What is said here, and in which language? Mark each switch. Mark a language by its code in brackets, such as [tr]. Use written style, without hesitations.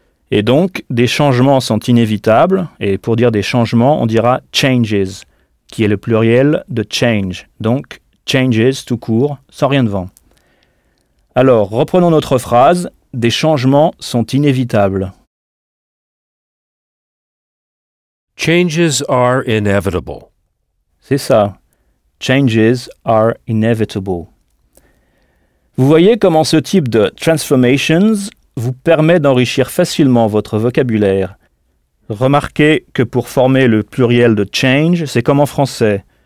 [fr] Et donc, des changements sont inévitables, et pour dire des changements, on dira « changes », qui est le pluriel de « change », donc « changes » tout court, sans rien devant. Alors, reprenons notre phrase, « des changements sont inévitables ». [en] Changes are inevitable. [fr] C'est ça, « [en] changes are inevitable ». [fr] Vous voyez comment ce type de « transformations » vous permet d'enrichir facilement votre vocabulaire. Remarquez que pour former le pluriel de change, c'est comme en français.